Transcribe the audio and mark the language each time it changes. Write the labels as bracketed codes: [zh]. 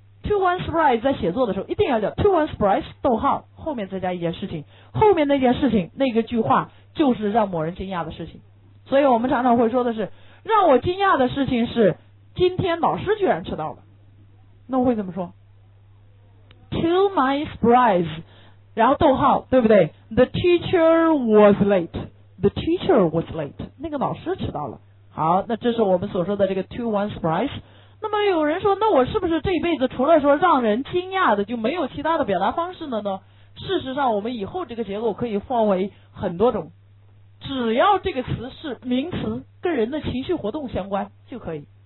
[zh] to one's surprise 在写作的时候一定要叫 to one's surprise 逗号，后面再加一件事情，后面那件事情那个句话就是让某人惊讶的事情。所以我们常常会说的是，让我惊讶的事情是今天老师居然迟到了，那我会怎么说？ [en] To my surprise， [zh] 然后逗号，对不对？ [en] The teacher was late， The teacher was late， [zh] 那个老师迟到了。好，那这是我们所说的这个 to one surprise。那么有人说，那我是不是这一辈子除了说让人惊讶的就没有其他的表达方式了呢？事实上我们以后这个结构可以放为很多种，只要这个词是名词，跟人的情绪活动相关就可以。